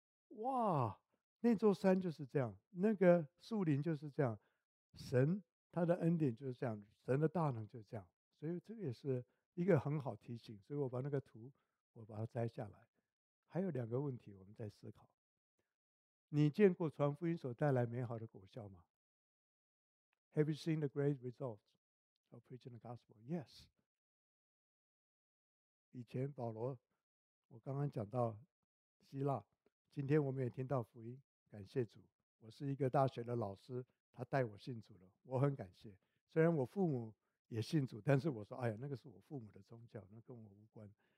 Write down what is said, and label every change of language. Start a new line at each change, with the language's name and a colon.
Chinese: 哇，那座山就是这样，那个树林就是这样，神他的恩典就是这样，神的大能就是这样。所以这个也是一个很好提醒，所以我把那个图我把它摘下来。还有两个问题我们在思考，你见过传福音所带来美好的果效吗？
English: Have you seen the great results of preaching the gospel? Yes.
Chinese: 以前保罗，我刚刚讲到希腊，今天我们也听到福音，感谢主。我是一个大学的老师，他带我信主了，我很感谢。虽然我父母也信主，但是我说，哎呀，那个是我父母的宗教，那跟我无关。